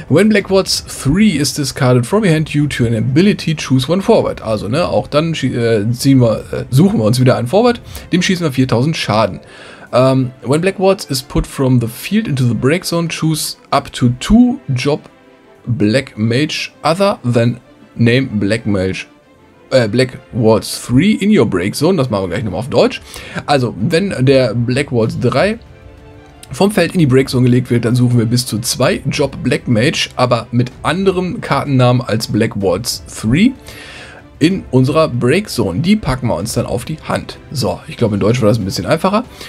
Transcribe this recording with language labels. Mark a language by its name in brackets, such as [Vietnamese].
[English] When Black Waltz 3 is discarded from your hand due to an ability, choose one forward. [German] Also, ne, auch dann suchen wir uns wieder einen Forward, dem schießen wir 4000 Schaden. [English] When Black Waltz is put from the field into the break zone, choose up to 2 job Black Mage other than name Black Mage. Black Waltz 3 in your break zone, [German] das machen wir gleich nochmal auf Deutsch. Also, wenn der Black Waltz 3 vom Feld in die Breakzone gelegt wird, dann suchen wir bis zu 2 Job Black Mage, aber mit anderem Kartennamen als Black Waltz 3 in unserer Breakzone. Die packen wir uns dann auf die Hand. So, ich glaube in Deutsch war das ein bisschen einfacher.